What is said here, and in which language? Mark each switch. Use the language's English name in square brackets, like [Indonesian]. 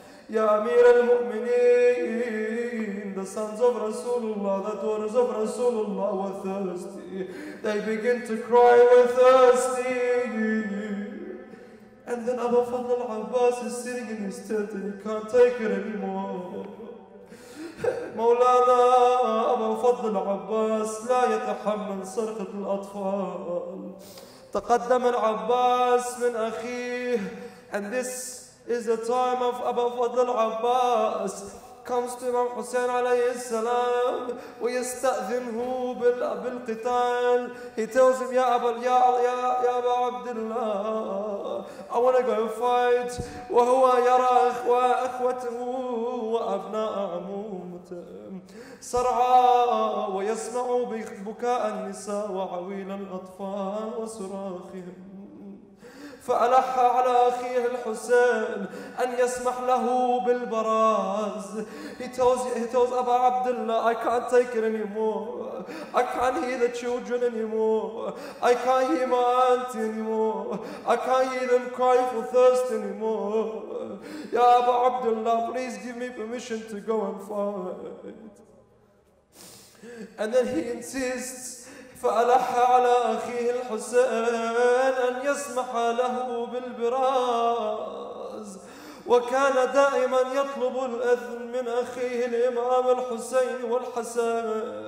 [Arabic] يا أمير المؤمنين [English] the sons of Rasulullah, the daughters of Rasulullah were thirsty. They begin to cry, we're thirsty. And then Abu Fadl al-Abbas is sitting in his tent and he can't take it anymore. [Arabic] مولانا Abu Fadl al-Abbas لا يتحمل صرخة الأطفال. تقدم العباس من أخيه [English] and this is the time of Abu Fadl al-Abbas comes to Imam Hussein alayhi salam [Arabic] ويستأذنه بالقتال. [English] He tells him, [Arabic] يا أبا عبد الله, [English] I want to go fight. [Arabic] وهو يرى أخوته وأبناء عمومته صرعا ويسمع بكاء النساء وعويل الأطفال وصراخهم. فألح على أخيه الحسين أن يسمح له بالبراز. [English] He tells أبا عبد الله, I can't take it anymore. I can't hear the children anymore. I can't hear my auntie anymore. I can't hear them cry for thirst anymore. [Arabic] يا أبا عبد الله, [English] please give me permission to go and fight. And then he insists. [Arabic] فألح على أخيه الحسين أن يسمح له بالبراز. وكان دائما يطلب الإذن من أخيه الإمام الحسين والحسن.